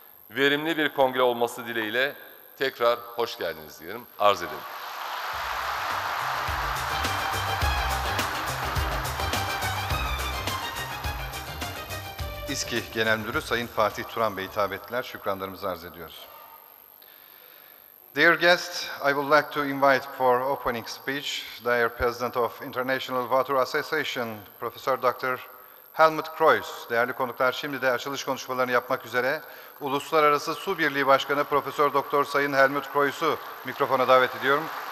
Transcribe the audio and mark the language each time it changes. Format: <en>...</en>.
<tr>Verimli bir kongre olması dileğiyle tekrar hoş geldiniz diyelim, arz edelim. İSKİ Genel Müdürü Sayın Fatih Turan Bey'e hitap ettiler. Şükranlarımızı arz ediyoruz.</tr> <en>Dear guests, I would like to invite for opening speech their President of International Water Association, Professor Dr. Helmut Kreuz.</en> <tr>Değerli konuklar, şimdi de açılış konuşmalarını yapmak üzere Uluslararası Su Birliği Başkanı Profesör Doktor Sayın Helmut Kreuz'u mikrofona davet ediyorum.</tr>